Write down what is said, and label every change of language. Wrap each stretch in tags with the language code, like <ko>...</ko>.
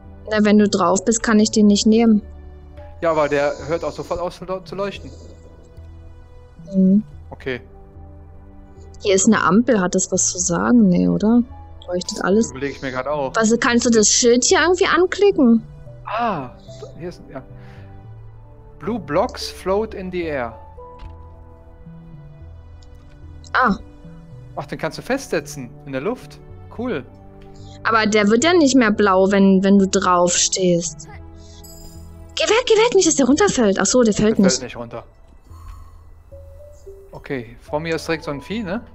<de>Na, wenn du drauf bist, kann ich den nicht nehmen. Ja, aber der hört auch sofort auf zu leuchten. Mhm. Okay. Hier ist eine Ampel, hat das was zu sagen? Nee, oder? Leuchtet alles? Das überleg ich mir gerade auch. Was, kannst du das Schild hier irgendwie anklicken? Ah, hier ist. Ja.</de> <en>Blue blocks float in the air. Ah.</en> <de>Ach, den kannst du festsetzen in der Luft. Cool. Aber der wird ja nicht mehr blau, wenn du drauf stehst. Geh weg, nicht, dass der runterfällt. Ach so, der fällt nicht. Der fällt nicht runter. Okay, vor mir ist direkt so ein Vieh, ne?</de>